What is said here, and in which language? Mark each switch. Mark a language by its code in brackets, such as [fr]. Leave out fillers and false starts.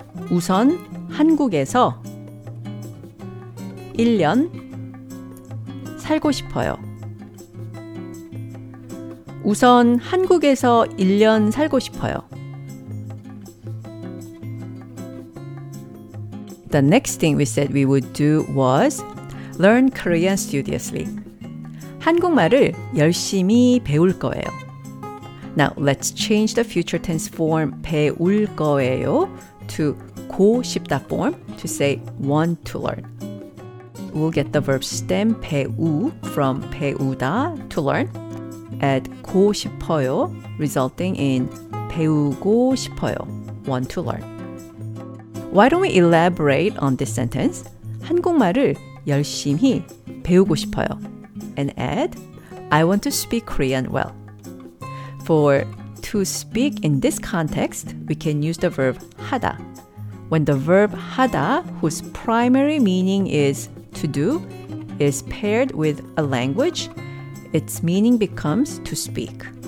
[ko] 우선, 한국에서 1년 살고 싶어요. 우선, 한국에서 1년 살고 싶어요. [en] The next thing we said we would do was learn Korean studiously. [ko] 한국말을 열심히 배울 거예요. [en] Now, let's change the future tense form [ko] 배울 거예요 [en] to 고 싶다 form to say want to learn. We'll get the verb stem 배우 from 배우다 to learn. Add [ko] 고 싶어요 [en] resulting in [ko] 배우고 싶어요, [en] want to learn. Why don't we elaborate on this sentence? [ko] 한국말을 열심히 배우고 싶어요. [en] And add, I want to speak Korean well. For to speak in this context, we can use the verb 하다. When the verb 하다, whose primary meaning is to do, is paired with a language, its meaning becomes to speak.